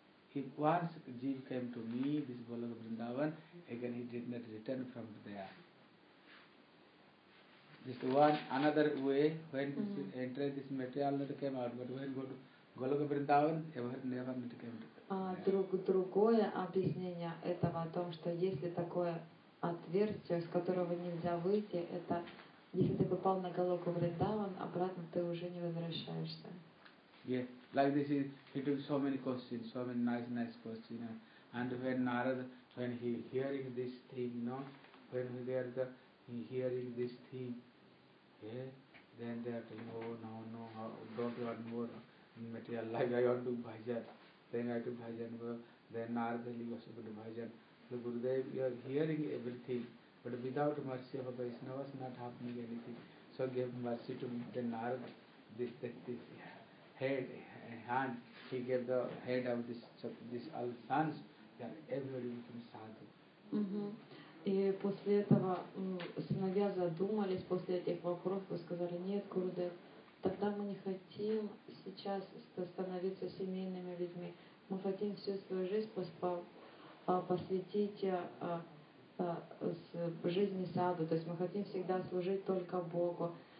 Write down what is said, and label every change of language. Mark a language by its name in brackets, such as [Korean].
[English] He once jeev came to me, this Goloka Vrindavan, again he did not return from there. This one another way when this enter this material not came out, but when go to Goloka Vrindavan, never not came to [Russian] другое объяснение этого о том, что если такое отверстие, из которого нельзя выйти, это если ты попал на Голоку Вриндаван, обратно ты уже не возвращаешься. [English] Yeah, like this is, he took so many questions, so many nice questions. And when Narada, when he hearing this thing, you know, when they are the, hearing this thing, yeah, then they are telling, oh no, don't want more material life, I want to bhajan. Then I do bhajan, then Narada, he was able to bhajan. So Gurudev, you are hearing everything. But without mercy of a Vaishnava, it's not happening anything. So give mercy to the Narada, this head, hand. He gave the head of this all sons, that everybody became sadhu. [Russian] И после этого сыновья задумались, после этих вопросов сказали, нет, Гурудев, тогда мы не хотим сейчас становиться семейными людьми. Мы хотим всю свою жизнь посвятить с жизни саду, то есть мы хотим всегда служить только Богу.